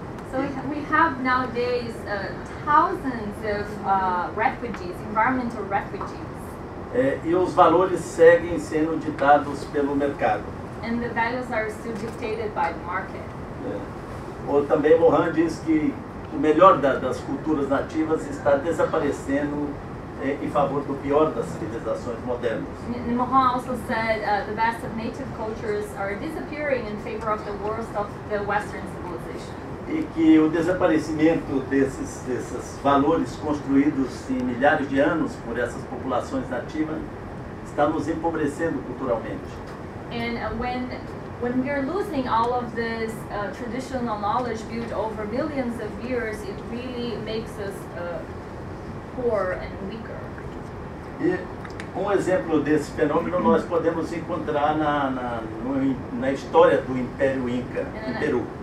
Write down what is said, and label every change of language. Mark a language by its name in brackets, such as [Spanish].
[English] So we have nowadays thousands of refugees, environmental refugees. [Portuguese] E os valores seguem sendo ditados pelo mercado. [English] And the values are still dictated by the market. [Portuguese] Ou também Mohan diz que o melhor das culturas nativas está desaparecendo em favor do pior das civilizações modernas. [English] And Mohan also said the best of native cultures are disappearing in favor of the worst of the Western civilization. [Portuguese] E que o desaparecimento desses valores construídos em milhares de anos por essas populações nativas está nos empobrecendo culturalmente. [English] And when we are losing all of this traditional knowledge built over millions of years, it really makes us poor and weaker. [Portuguese] E um exemplo desse fenômeno nós podemos encontrar na história do Império Inca em Peru.